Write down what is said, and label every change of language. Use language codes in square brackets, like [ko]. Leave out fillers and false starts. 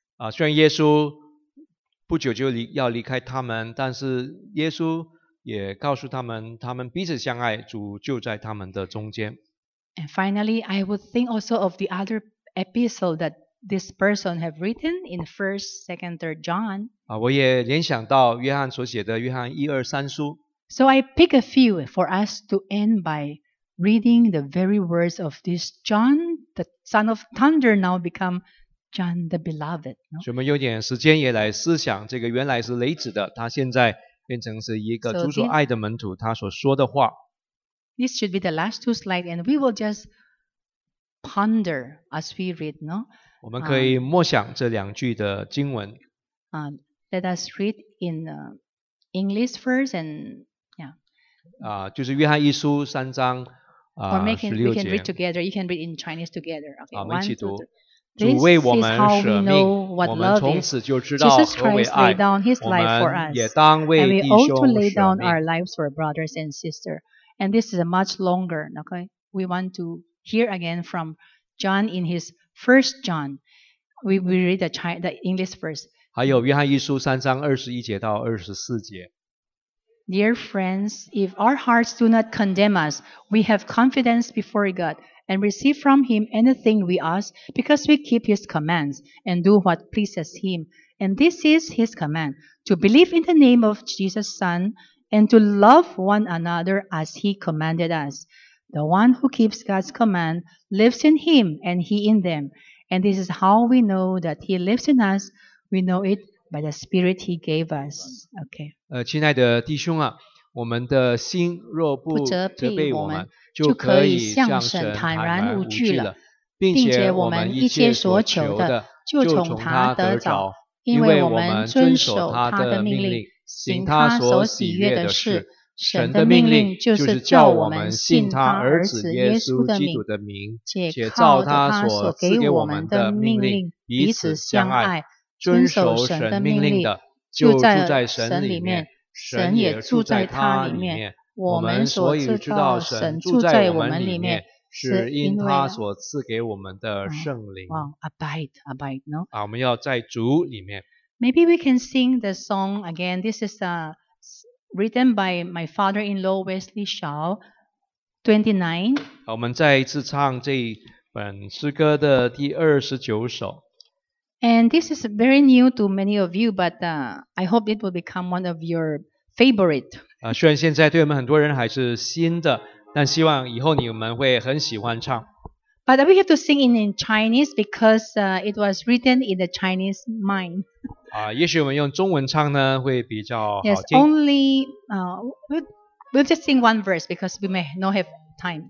[zh] 啊、虽然耶稣不久就要离开他们，但是耶稣也告诉他们，他们彼此相爱，主就在他们的中间。 [en] And finally, I would think also of the other epistle that this person have written in 1st, 2nd, 3rd John. [zh] 啊、我也联想到约翰所写的约翰一二三书。 [en] So I pick a few for us to end by reading the very words of this John, the son of thunder, now become John the beloved. [zh] 所以我们用点时间也来思想这个原来是雷子的，他现在变成是一个主所爱的门徒，他所说的话。 [en] This should be the last two slides, and we will just ponder as we read, no? [zh] 我们可以默想这两句的经文。 [en] Let us read in English first, and yeah. [zh] 就是约翰一书三章啊，十六节。 [en] Or we can read together. You can read in Chinese together. Okay, [zh] 我们一起读。 [en] One, two, [zh] 主为我们舍命， [en] this is how we know what love is. [zh] 我们从此就知道何为爱。 [en] Jesus Christ laid down His life for us. [zh] 我们也当为弟兄舍命。 [en] And we ought to lay down our lives for brothers and sisters. And this is a much longer. Okay, we want to hear again from John in his first John. We read the English first. [zh] 还有约翰一书三章二十一节到二十四节。 [en] Dear friends, if our hearts do not condemn us, we have confidence before God and receive from Him anything we ask because we keep His commands and do what pleases Him. And this is His command, to believe in the name of Jesus' Son and to love one another as He commanded us. The one who keeps God's command lives in Him and He in them. And this is how we know that He lives in us. We know it by the Spirit He gave us. Okay. [zh] 亲爱的弟兄啊，我们的心若不责备我们，就可以向神坦然无惧了，并且我们一切所求的就从他得着，因为我们遵守他的命令，行他所喜悦的事。神的命令就是叫我们信他儿子耶稣基督的名，且照他所赐给我们的命令彼此相爱，遵守神的命令的就住在神里面，神也住在他里面。我们所以知道神住在我们里面，是因他所赐给我们的圣灵。 [en] Wow, abide, abide, no? [zh] 啊，我们要在主里面。 [en] Maybe we can sing the song again. This is written by my father-in-law Wesley Shaw, 29. [zh] 我们再一次唱这本诗歌的第29首。 [en] And this is very new to many of you, but I hope it will become one of your favorite. [zh] 虽然现在对我们很多人还是新的，但希望以后你们会很喜欢唱。 [en] But we have to sing in Chinese because it was written in the Chinese mind. [zh] 也许我们用中文唱呢会比较好听。 [en] Yes, only we'll just sing one verse because we may not have time.